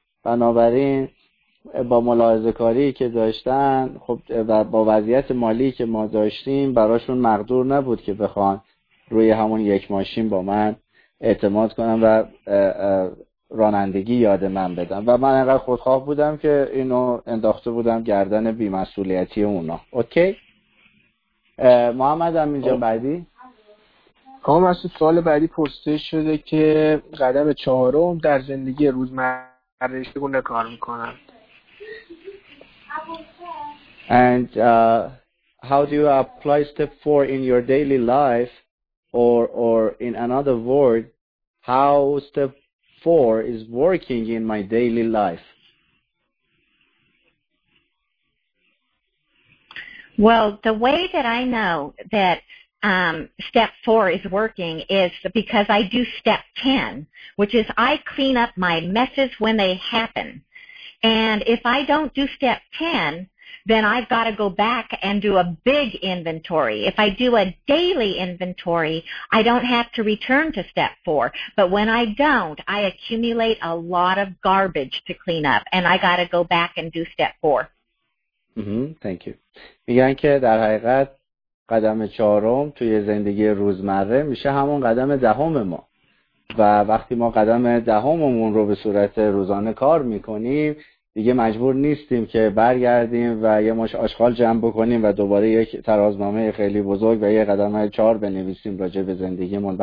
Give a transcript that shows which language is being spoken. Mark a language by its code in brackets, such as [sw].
[fa] بنابراین با ملاحظه کاری که داشتن خب و با وضعیت مالی که ما داشتیم براشون مقدور نبود که بخوان روی همون یک ماشین با من اعتماد کنن و رانندگی یاد من بدن و من انقدر خودخواه بودم که اینو انداخته بودم گردن بیمسئولیتی اونا. اوکی؟ محمد هم اینجا بعدی؟ خواهم از سوال بعدی پرسیده شده که قدم چهارم در زندگی روزمره چگونه کار میکنن. [en] And how do you apply step 4 in your daily life, or in another word, how step 4 is working in my daily life? Well, the way that I know that step 4 is working is because I do step 10, which is I clean up my messes when they happen. And if I don't do step 10, then I've got to go back and do a big inventory. If I do a daily inventory, I don't have to return to step four. But when I don't, I accumulate a lot of garbage to clean up, and I got to go back and do step four. Mm-hmm. Thank you. [fa] میگن که در حقیقت قدم چهارم توی زندگی روزمره میشه همون قدم دهم ما. و وقتی ما قدم دهممون رو به صورت روزانه کار میکنیم، دیگه مجبور نیستیم که برگردیم و یه مش آشغال جمع بکنیم و دوباره یک ترازنامه خیلی بزرگ و یه قدم چهار بنویسیم راجع به زندگیمون.